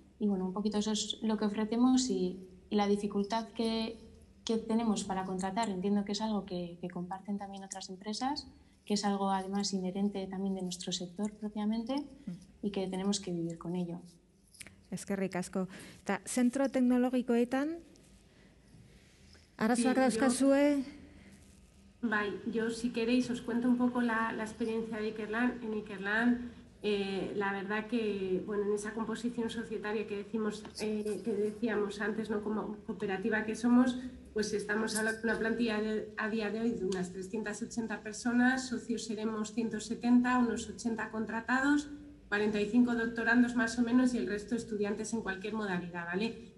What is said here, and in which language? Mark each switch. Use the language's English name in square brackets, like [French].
[Spanish] Y bueno, un poquito eso es lo que ofrecemos y la dificultad que tenemos para contratar, entiendo que es algo que comparten también otras empresas, que es algo además inherente también de nuestro sector propiamente y que tenemos que vivir con ello. [Basque] Eskerrik asko. Ta, zentro teknologikoetan, arazoak dauzkazue? Bai, [Spanish] yo si queréis os cuento un poco la experiencia de Ikerlan. En Ikerlan, la verdad que, bueno, en esa composición societaria que decimos, que decíamos antes, ¿no?, como cooperativa que somos, pues estamos hablando de una plantilla a día de hoy de unas 380 personas, socios seremos 170, unos 80 contratados, 45 doctorandos más o menos y el resto estudiantes en cualquier modalidad, ¿vale?